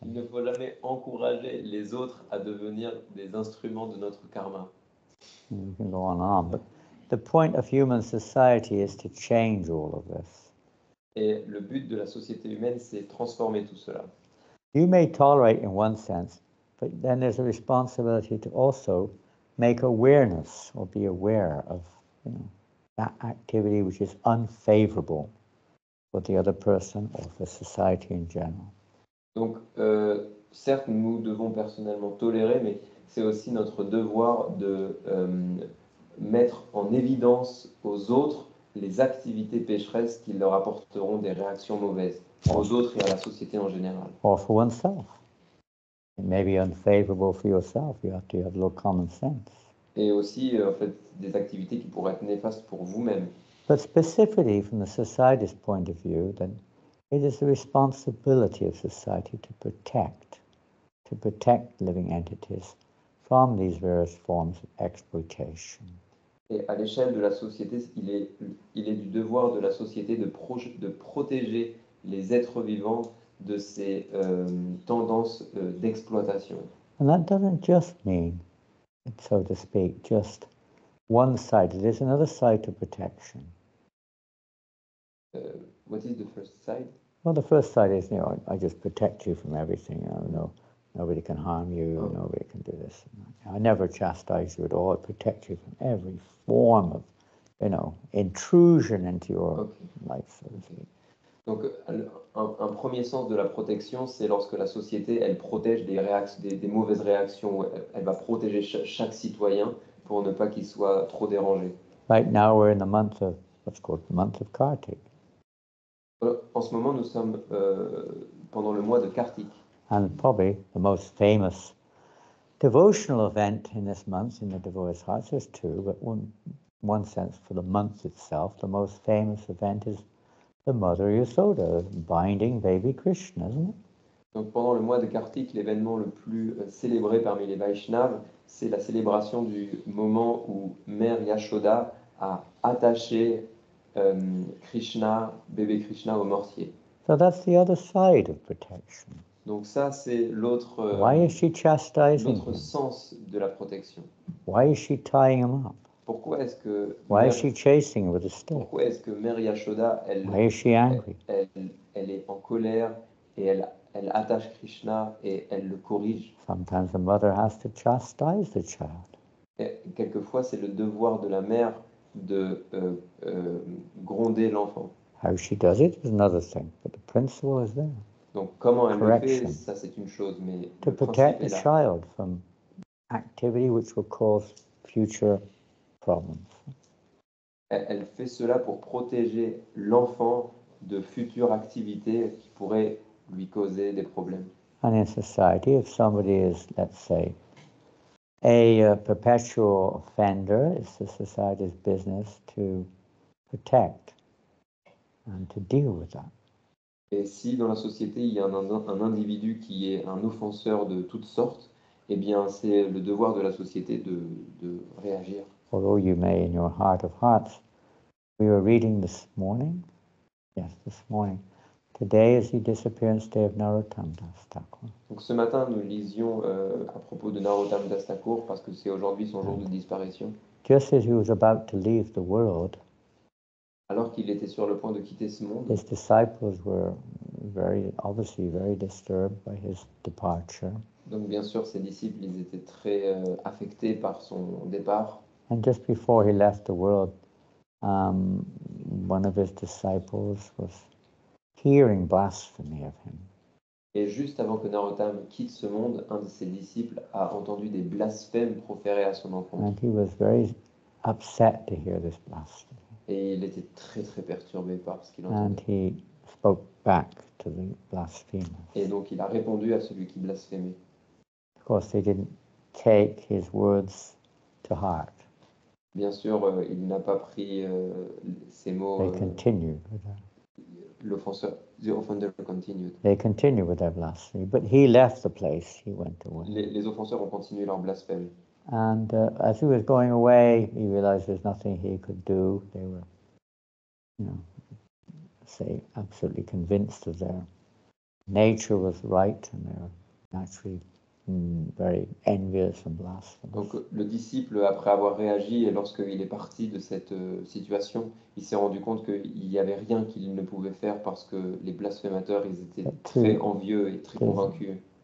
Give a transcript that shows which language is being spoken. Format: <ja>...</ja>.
<fr>Il ne faut jamais encourager les autres à devenir des instruments de notre karma.</fr> <en>You can go on, but the point of human society is to change all of this.</en> <fr>Et le but de la société humaine, c'est transformer tout cela.</fr> <en>You may tolerate in one sense, but then there's a responsibility to also make awareness or be aware of that activity which is unfavorable for the other person or for society in general.</en> <fr>Donc, certes, nous devons personnellement tolérer, mais c'est aussi notre devoir de mettre en évidence aux autres les activités pécheresses qui leur apporteront des réactions mauvaises aux autres et à la société en général.</fr> <en>Or for oneself. It may be unfavorable for yourself. You have to have a little common sense.</en> <fr>Et aussi, en fait, des activités qui pourraient être néfastes pour vous-même.</fr> <en>But specifically from the society's point of view, then it is the responsibility of society to protect living entities from these various forms of exploitation.</en> <fr>Et à l'échelle de la société, il est du devoir de la société de protéger les êtres vivants de ces tendances d'exploitation.</fr> <en>And that doesn't just mean, so to speak, just one side. There's another side to protection. What is the first side? Well, the first side is, I just protect you from everything. Nobody can harm you. Oh. Nobody can do this. I never chastise you at all. I protect you from every form of, intrusion into your life, so to speak.</en> <fr>Donc, un premier sens de la protection, c'est lorsque la société, elle protège des mauvaises réactions. Elle va protéger chaque citoyen pour ne pas qu'il soit trop dérangé.</fr> <en>Right now, we're in the month of what's called the month of Kartik.</en> <fr>En ce moment, nous sommes pendant le mois de Kartik.</fr> <en>And probably the most famous devotional event in this month in the devotees' hearts. There's two, but one sense for the month itself, the most famous event is the mother Yasoda binding baby Krishna, isn't it?</en> <fr>Donc pendant le mois de Kartik, l'événement le plus célébré parmi les Vaishnavas, c'est la célébration du moment où mère Yashoda a attaché Krishna, bébé Krishna au mortier.</fr> <en>So that's the other side of protection.</en> <fr>Donc ça c'est l'autre l'autre sens de la protection.</fr> <en>Why is she tying him up? Why is she chasing with a stick?</en> <fr>Pourquoi est-ce que Mère Yashoda,</fr> <en>why is she angry?</en> <fr>Elle est en colère et elle attache Krishna et elle le corrige.</fr> <en>Sometimes the mother has to chastise the child.</en> <fr>Et quelquefois c'est le devoir de la mère de gronder l'enfant.</fr> <en>How she does it is another thing, but the principle is there.</en> <fr>Donc comment elle correction. Le fait, ça c'est une chose, mais</fr> <en>to</en> <fr>le</fr> <en>protect</en> <fr>principe</fr> <en>the</en> <fr>est</fr> <en>child from activity which will cause future problems.</en> <fr>Elle fait cela pour protéger l'enfant de futures activités qui pourraient lui causer des problèmes.</fr> <en>And in society, if somebody is, let's say, a perpetual offender, it's the society's business to protect and to deal with that.</en> <fr>Et si dans la société il y a un individu qui est un offenseur de toutes sortes, eh bien c'est le devoir de la société de réagir.</fr> <en>although you may in your heart of hearts. We were reading this morning. Yes, this morning. Today is the disappearance day of Narottam Das Thakur.</en> <fr>Donc ce matin, nous lisions à propos de Narottam Das Thakur parce que c'est aujourd'hui son jour de disparition.</fr> <en>Just as he was about to leave the world,</en> <fr>alors qu'il était sur le point de quitter ce monde,</fr> <en>his disciples were very, obviously very disturbed by his departure.</en> <fr>Donc bien sûr, ses disciples, ils étaient très affectés par son départ.</fr> <en>And just before he left the world, one of his disciples was hearing blasphemy of him.</en> <fr>Et juste avant que Narottam quitte ce monde, un de ses disciples a entendu des blasphèmes proférés à son encontre.</fr> <en>And he was very upset to hear this blasphemy.</en> <fr>Et il était très très perturbé par ce qu'il</fr> <en>and</en> <fr>entendait.</fr> <en>And he spoke back to the blasphemer.</en> <fr>Et donc il a répondu à celui qui blasphémait.</fr> <en>Of course, they didn't take his words to heart.</en> <fr>Bien sûr, il n'a pas pris ces mots.</fr> <en>They continue with that.</en> <fr>L'offenseur,</fr> <en>the offender continued. They continue with their blasphemy, but he left the place. He went away.</en> <fr>Les offenseurs ont continué leur blasphème.</fr> <en>And as he was going away, he realized there's nothing he could do. They were, say, absolutely convinced of their nature was right, and they were naturally very envious and blasphemous.</en> <fr>Donc le disciple, après avoir réagi et lorsqu'il est parti de cette situation, il s'est rendu compte qu'il n'y avait rien qu'il ne pouvait faire parce que les blasphémateurs, ils étaient très envieux et très convaincus.</fr>